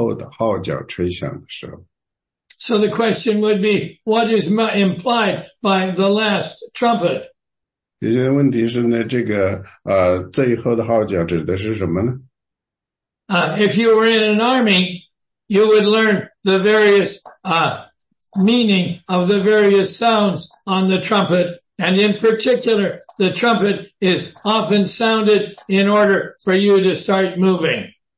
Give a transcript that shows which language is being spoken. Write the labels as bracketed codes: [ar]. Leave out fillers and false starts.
[zh] 所以这个时间发生在那最后的号角吹响的时候。 [en] So the question would be, what is implied by the last trumpet? [zh] 现在问题是呢，这个最后的号角指的是什么呢？ [en] If you were in an army, you would learn the various meaning of the various sounds on the trumpet, and in particular, the trumpet is often sounded in order for you to start moving.